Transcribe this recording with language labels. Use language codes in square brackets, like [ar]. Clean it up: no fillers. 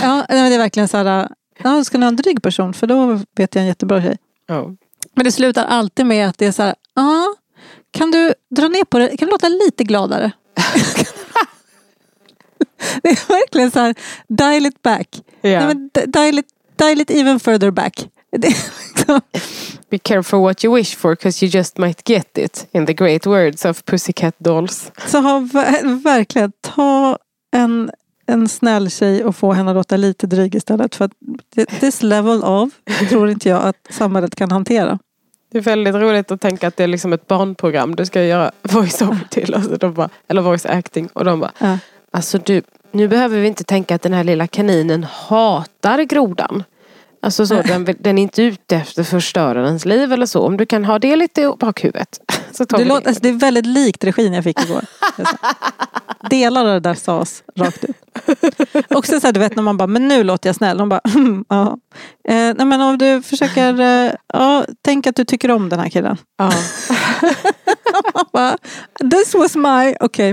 [sv] Ja, men det är verkligen så här, ska ni ha en dryg person? För då vet jag en jättebra tjej. Oh. Men det slutar alltid med att det är så här, kan du dra ner på det? Kan du låta lite gladare? Det är verkligen så här, [en] dial it back. Yeah. [sv] Nej, men [en] dial it even further back. Be careful what you wish for because you just might get it in the great words of Pussycat Dolls. [sv] Så verkligen ta en snäll tjej och få henne att låta lite dryg istället för att [en] this level of [sv] tror inte jag att samhället kan hantera. Det är väldigt roligt att tänka att det är liksom ett barnprogram du ska göra voice over till och de bara, eller voice acting och de bara, Alltså du, nu behöver vi inte tänka att den här lilla kaninen hatar grodan. Alltså så, den är inte ute efter förstörarens liv eller så. Om du kan ha det lite i bakhuvudet. Så tar du det. Alltså, det är väldigt likt regin jag fick igår. Delar av det där sas rakt ut. Och sen så här, du vet när man bara, men nu låter jag snäll. Hon bara, ja. Nej men om du försöker, ja, tänk att du tycker om den här killen. Ja. Man bara, [en] this was my, [sv] okej.